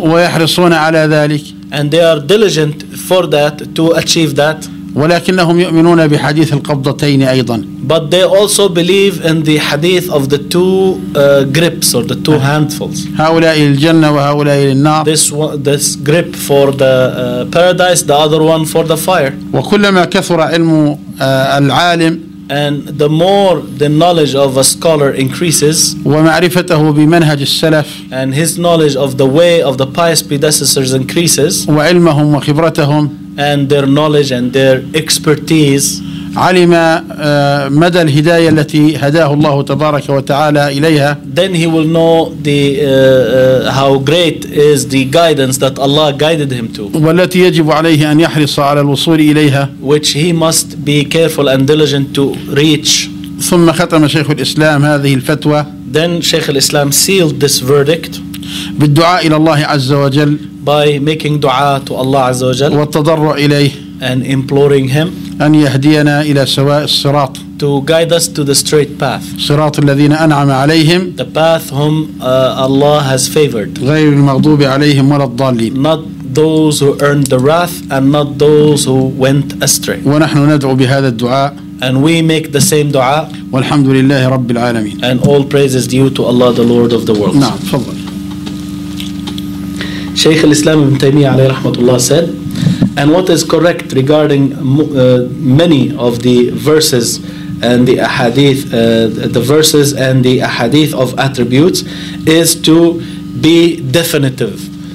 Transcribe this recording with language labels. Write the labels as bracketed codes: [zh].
[ar] ويحرصون على ذلك. [en] And they are diligent for that, to achieve that. [ar] ولكنهم يؤمنون بحديث القبضتين أيضا. [en] But they also believe in the hadith of the two grips or the two handfuls. [ar] هؤلاء الجنة وهؤلاء النار. [en] This grip for the paradise, the other one for the fire. [ar] وكلما كثر علم العالم. [en] And the more the knowledge of a scholar increases. [ar] ومعرفته بمنهج السلف. [en] And his knowledge of the way of the pious predecessors increases. [ar] وعلمهم وخبرتهم. [en] And their knowledge and their expertise. [ar] علم مدى الهداية التي هداه الله تبارك وتعالى إليها. [en] Then he will know the how great is the guidance that Allah guided him to. [ar] والتي يجب عليه أن يحرص على الوصول إليها. [en] Which he must be careful and diligent to reach. [ar] ثم ختم شيخ الإسلام هذه الفتوى. [en] Then Sheikh al-Islam sealed this verdict. [ar] بالدعاء إلى الله عز وجل. [en] By making dua to Allah [ar] عز وجل. والتضرع إليه. [en] And imploring him. [ar] أن يهدينا إلى سواء الصراط. [en] To guide us to the straight path. [ar] صراط الذين أنعم عليهم. [en] The path whom Allah has favored. [ar] غير المغضوب عليهم ولا الضالين. [en] Not those who earned the wrath and not those who went astray. [ar] ونحن ندعو بهذا الدعاء. [en] And we make the same دعاء. [ar] والحمد لله رب العالمين. [en] And all praise is due to Allah, the Lord of the world. [ar] نعم تفضل. [en] شيخ الإسلام ابن تيمية [ar] عليه رحمة الله [en] said, and what is correct regarding many of the verses and the ahadith, the verses and the ahadith of attributes, is to be definitive,